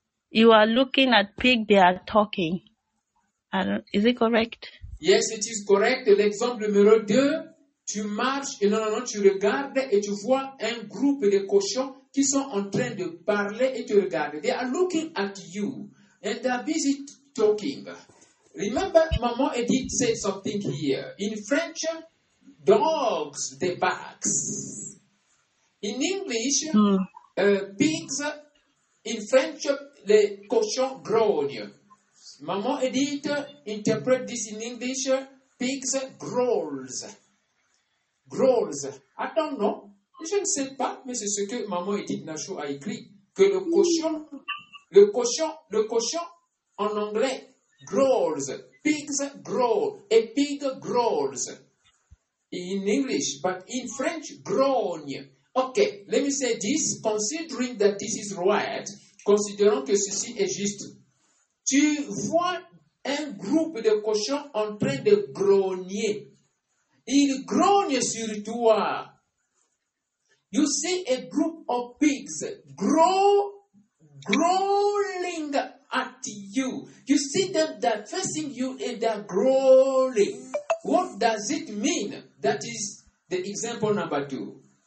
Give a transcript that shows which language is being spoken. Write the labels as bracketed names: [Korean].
[English] You are looking at pig, they are talking. Is it correct? Yes, it is correct. [French] L'exemple numéro 2, tu marches et non, tu regardes et tu vois un groupe de cochons qui sont en train de parler et tu regardes. [English] They are looking at you and they are busy talking. Remember, Maman Edith said something here. In French, dogs, they bark. In English, pigs, in French, [French] les cochons grognent. [English] Maman Edith [French] interprète [English] this in English, pigs growls. Growls. I don't know. [French] Je ne sais pas, mais c'est ce que Maman Edith Nachou a écrit. Que le cochon en anglais, [English] growls, pigs growl, a pig growls in English, but in French, [French] grogne. [English] Okay, let me say this, considering that this is right, [French] considérons que ceci est juste. Tu vois un groupe de cochons en train de grogner. Ils grognent sur toi. [English] You see a group of pigs growling at you. You see them that facing you and they are growling. What does it mean? That is the example number 2.